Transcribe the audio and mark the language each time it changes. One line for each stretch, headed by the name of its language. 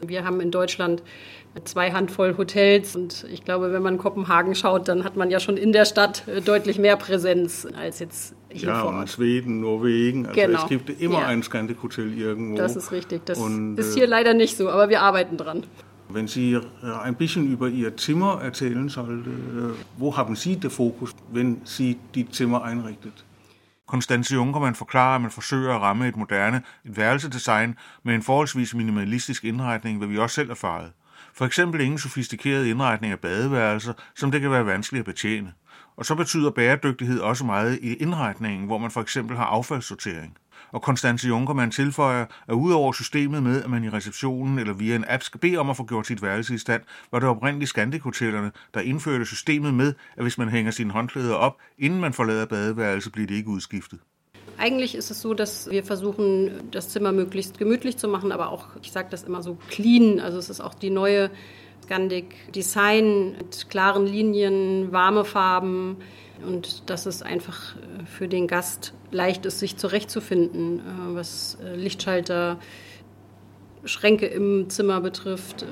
German: Wir haben in Deutschland zwei Handvoll Hotels und ich glaube, wenn man Kopenhagen schaut, dann hat man ja schon in der Stadt deutlich mehr Präsenz als jetzt hier ja, vor Ort. Ja, und Schweden, Norwegen, also genau. Es gibt immer ein Scandic-Hotel irgendwo. Das ist richtig, das und, ist hier leider nicht so, aber wir arbeiten dran. Wenn Sie ein bisschen über Ihr Zimmer erzählen sollte, wo haben Sie den Fokus, wenn Sie die Zimmer einrichtet?
Danish: Constanze Junkermann forklarer, at man forsøger at ramme et moderne, et værelsedesign med en forholdsvis minimalistisk indretning, hvad vi også selv erfarede. For eksempel ingen sofistikeret indretning af badeværelser, som det kan være vanskeligt at betjene. Og så betyder bæredygtighed også meget i indretningen, hvor man for eksempel har affaldssortering. Og Constanze Junkermann tilføjer, at udover systemet med, at man i receptionen eller via en app skal bede om at få gjort sit værelse i stand, var det oprindeligt Scandic-hotellerne, der indførte systemet med, at hvis man hænger sine håndklæder op, inden man forlader badeværelse, bliver det ikke udskiftet.
German: Eigentlich ist es so, dass wir versuchen, das Zimmer möglichst gemütlich zu machen, aber auch, ich sage das immer so, clean. Also es ist auch die neue Scandic-Design mit klaren Linien, warme Farben. Und dass es einfach für den Gast leicht ist, sich zurechtzufinden, was Lichtschalter, Schränke im Zimmer betrifft.